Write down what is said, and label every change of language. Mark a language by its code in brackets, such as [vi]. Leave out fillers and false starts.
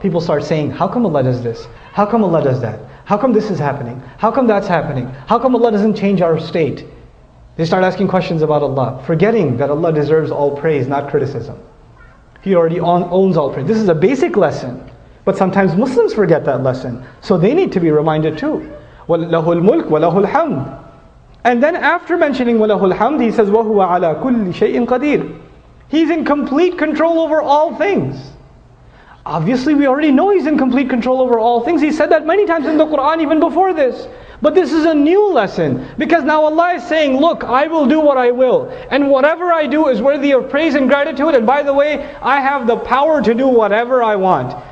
[en] People start saying, how come Allah does this? How come Allah does that? How come this is happening? How come that's happening? How come Allah doesn't change our state? They start asking questions about Allah, forgetting that Allah deserves all praise, not criticism. He already owns all praise. This is a basic lesson. But sometimes Muslims forget that lesson. So they need to be reminded too. [ar] وَلَهُ الْمُلْكُ وَلَهُ الْحَمْدُ. [en] And then after mentioning [ar] وَلَهُ الْحَمْدُ, [en] he says, [ar] وَهُوَ عَلَىٰ كُلِّ شَيْءٍ قَدِيرٌ. [en] He's in complete control over all things. Obviously, we already know He's in complete control over all things. He said that many times in the Quran, even before this. But this is a new lesson, because now Allah is saying, look, I will do what I will, and whatever I do is worthy of praise and gratitude, and by the way, I have the power to do whatever I want.